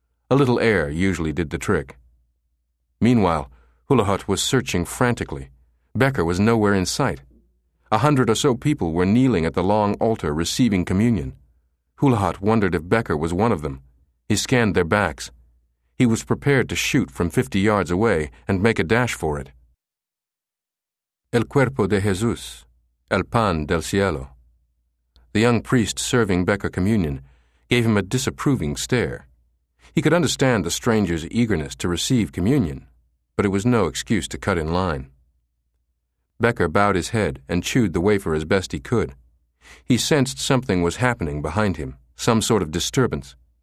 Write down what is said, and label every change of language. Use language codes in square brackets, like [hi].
[en] A little air usually did the trick. Meanwhile, Houlihan was searching frantically. Becker was nowhere in sight. 100 or so people were kneeling at the long altar receiving communion. Houlihan wondered if Becker was one of them. He scanned their backs. He was prepared to shoot from 50 yards away and make a dash for it. [es] El cuerpo de Jesús, el pan del cielo. [en] The young priest serving Becker communion gave him a disapproving stare. He could understand the stranger's eagerness to receive communion, but it was no excuse to cut in line. Becker bowed his head and chewed the wafer as best he could. He sensed something was happening behind him, some sort of disturbance.